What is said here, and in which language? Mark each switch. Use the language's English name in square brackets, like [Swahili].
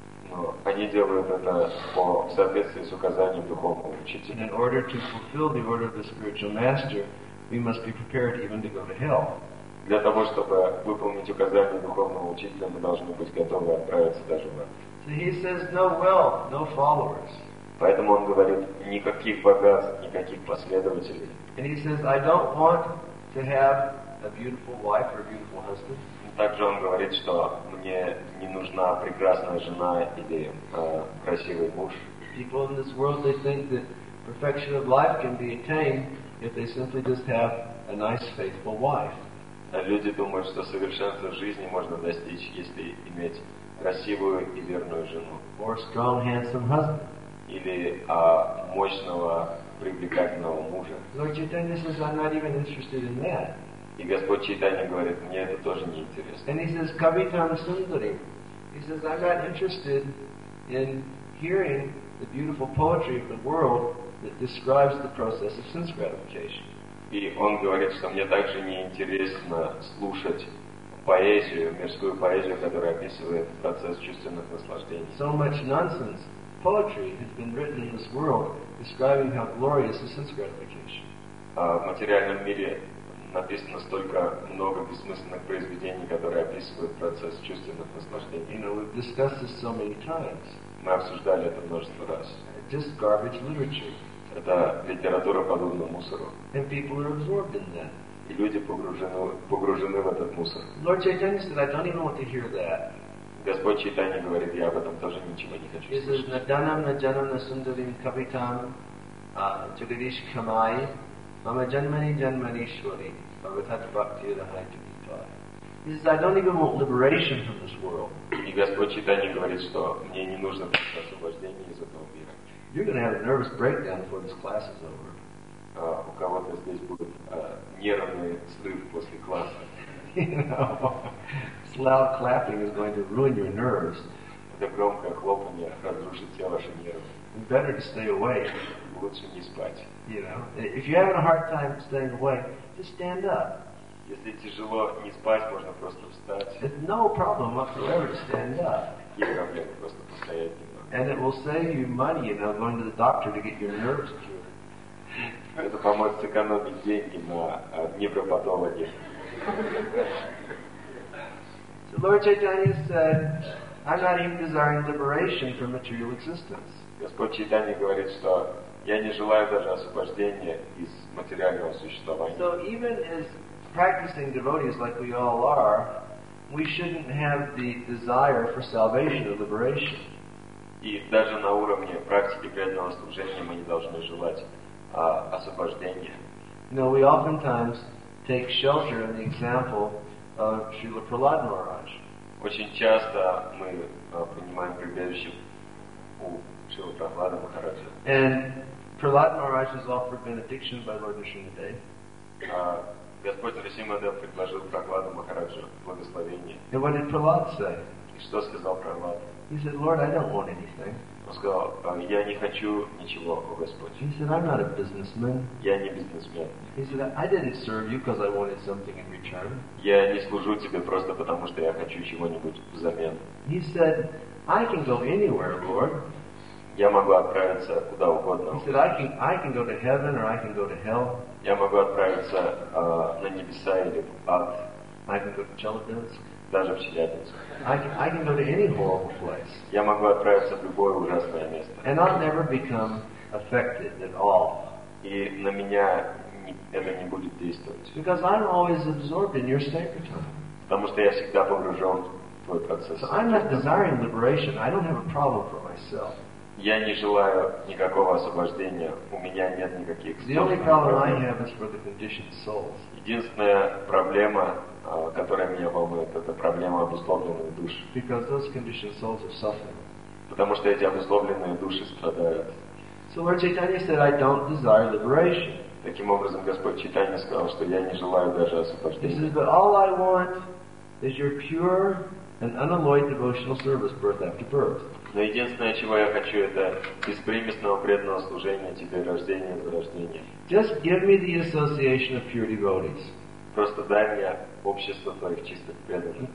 [Russian] Но они делают это в соответствии с указанием духовного учителя. [English] In order to fulfill the order of the spiritual master, we must be prepared even to go to hell. [Russian] Для того, чтобы выполнить указания духовного учителя, мы должны быть готовы отправиться даже в ад. [English] So he says, no wealth, no followers. [Russian] Поэтому он говорит, никаких богатств, никаких последователей. [English] And he says, I don't want to have a beautiful wife or a beautiful husband. [Russian] Также он говорит, что мне не нужна прекрасная жена или красивый муж. [English] People in this world, they think that perfection of life can be attained if they simply just have a nice, faithful wife. [Russian] Люди думают, что совершенство жизни можно достичь, если иметь красивую и верную жену. [English] Or a strong, handsome husband. [Russian] Или мощного, привлекательного мужа. [English] Lord Chaitanya says, I'm not even interested in that. [Russian] И Господь Чайтанья говорит, мне это тоже не интересно. [English] And he says, Kavitam Sundari. He says, I'm not interested in hearing the beautiful poetry of the world that describes the process of sense gratification. [Russian] И он говорит, что мне также не интересно слушать поэзию, мирскую поэзию, которая описывает процесс чувственных наслаждений. [English] So much nonsense. Poetry has been written in this world describing how glorious is sense gratification. [Russian] В материальном мире написано столько много бессмысленных произведений, которые описывают процесс чувственных наслаждений. [English] You know, we've discussed this so many times. [Russian] Мы обсуждали это множество раз. [English] Just garbage literature. [Russian] Это литература, подобна мусору. [English] And people are absorbed in that. [Russian] И люди погружены в этот мусор. [English] Lord Chaitanya said, I don't even want to hear that. [Russian] Господь Чайтанья говорит, я об этом тоже ничего не хочу слышать. [English] He says, [Sanskrit] Наданам наджанам насундарим кавитам Джагадиш камай мама джанмани джанмани швари бхагават бхакти рахай джагитай. [English] He says, I don't even want liberation from this world. [Russian] И Господь Чайтанья говорит, что мне не нужно освобождение из этого мира. [English] You're going to have a nervous breakdown before this class is over. [Russian] У кого-то здесь будет нервный срыв после класса. [English] You know, this loud clapping is going to ruin your nerves. [Russian] Это громкое хлопанье разрушит все ваши нервы. [English] Better to stay away. [Russian] лучше не спать. [English] You know, if you're having a hard time staying awake, just stand up. [Russian] Если тяжело не спать, можно просто встать. [English] It's no problem whatsoever to stand up. [Russian] Какие проблемы, просто постоять немного. [English] And it will save you money, you know, going to the doctor to get your nerves cured. [Russian] Это поможет сэкономить деньги на невропатологе. [English] So Lord Chaitanya said, I'm not even desiring liberation from material existence. [Russian] Господь Чайтанья говорит, что я не желаю даже освобождения из материального существования. [English] So even as practicing devotees like we all are, we shouldn't have the desire for salvation or liberation. [Russian] И даже на уровне практики преданного служения мы не должны желать освобождения. [English] You know, we oftentimes take shelter in the example of Srila Prahlada Maharaj. [Russian] Очень часто мы принимаем прибежище у Шрилы Прахлады Махараджа. [English] And Prahlada Maharaj is offered benediction by Lord Nrisimhadev. [Russian] Господь Нрисимхадев предложил Прахладу Махараджу благословение. [English] And what did Prahlada say? [Russian] И что сказал Прахлада? [English] He said, Lord, I don't want anything. [Russian] Он сказал, я не хочу ничего, о Господь. [English] He said, I'm not a businessman. [Russian] Я не бизнесмен. [English] He said, I didn't serve you because I wanted something in return. [Russian] Я не служу тебе просто потому, что я хочу чего-нибудь взамен. [English] He said, I can go anywhere, Lord. [Russian] Я могу отправиться куда угодно. [English] He said, I can go to heaven or I can go to hell. [Russian] Я могу отправиться на небеса или в ад. [English] I can go to Chelyabinsk. [Russian] Даже в Челябинск. [English] I can go to any horrible place. [Russian] Я могу отправиться в любое ужасное место. [English] And I'll never become affected at all. [Russian] И на меня это не будет действовать. [English] Because I'm always absorbed in your sankirtan. [Russian] Потому что я всегда погружен в твой процесс. [English] So I'm not desiring liberation. I don't have a problem for myself. [Russian] Я не желаю никакого освобождения. У меня нет никаких проблем. Единственная проблема, которая меня волнует, это проблема обусловленных душ. [English] Because those conditioned souls are suffering. [Russian] Потому что эти обусловленные души страдают. [English] So Lord Chaitanya said, I don't desire liberation. [Russian] Таким образом, Господь Чайтанья сказал, что я не желаю даже освобождения. [English] He says, but all I want is your pure and unalloyed devotional service birth after birth. [Russian] Но единственное, чего я хочу, это беспримесного преданного служения тебе рождение за рождение. [English] Just give me the association of pure devotees. [Russian] Просто дай мне общество твоих чистых преданных.